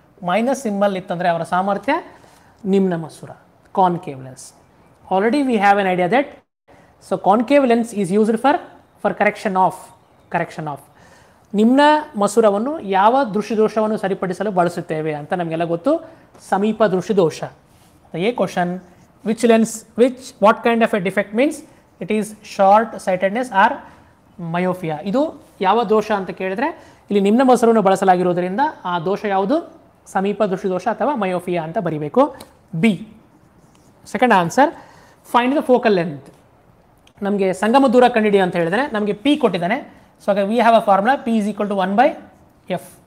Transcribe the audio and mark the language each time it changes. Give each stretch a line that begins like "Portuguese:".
Kannada: Minus symbol ಇತ್ತಂದರೆ ಅವರ ಸಾಮರ್ಥ್ಯ ನಿಮ್ನ ಮಸೂರ, concave lens.
English: Already we have an idea that so concave lens is used for correction of.
Kannada: ನಿಮ್ನ ಮಸೂರವನ್ನು ಯಾವ ದೃಷ್ಟಿದೋಷವನ್ನು ಸರಿಪಡಿಸಲು ಬಳಸುತ್ತೇವೆ ಅಂತ ನಮಗೆಲ್ಲ ಗೊತ್ತು, ಸಮೀಪ ದೃಷ್ಟಿದೋಷ. ಏ question,
English: which lens, which, what kind of a defect means it is short sightedness or myopia.
Kannada: ಇದು ಯಾವ ದೋಷ ಅಂತ ಕೇಳಿದ್ರೆ ಇಲ್ಲಿ ನಿಮ್ಮ ಮೊಸರನ್ನು ಬಳಸಲಾಗಿರೋದ್ರಿಂದ ಆ ದೋಷ ಯಾವುದು ಸಮೀಪ ದೃಷ್ಟಿ ದೋಷ ಅಥವಾ ಮಯೋಫಿಯಾ ಅಂತ ಬರೀಬೇಕು.
English: B second answer find the focal length.
Kannada: ನಮಗೆ ಸಂಗಮ ದೂರ ಕಂಡಿಡಿ ಅಂತ ಹೇಳಿದರೆ ನಮಗೆ ಪಿ ಕೊಟ್ಟಿದ್ದಾನೆ. ಸೊ ಹಾಗೆ
English: We have a formula P is equal to 1/F.